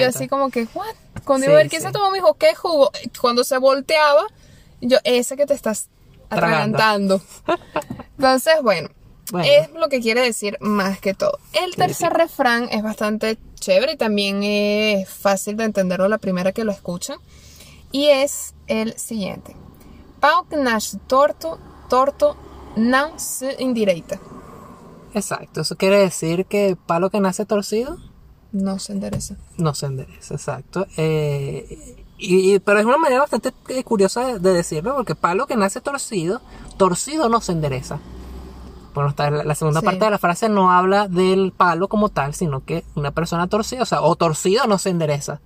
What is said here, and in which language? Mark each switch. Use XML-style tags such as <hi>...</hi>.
<es>Y yo así como que what, escondido, sí, a ver quién se tomó mi jugo, qué jugo. Cuando se volteaba, yo, ese que te estás atragantando. Entonces, bueno, es lo que quiere decir más que todo. El tercer refrán es bastante chévere y también es fácil de entenderlo la primera que lo escucha. Y es el siguiente:</es> <pt>pau que nasce torto, torto não se endireita.</pt> <es>Exacto, eso quiere decir que palo que nace torcido no se endereza. No se endereza, exacto. Pero es una manera bastante curiosa de decirlo, porque palo que nace torcido, torcido no se endereza. Bueno, la segunda parte de la frase no habla del palo como tal, sino que una persona torcida, o sea, o torcido no se endereza.</es>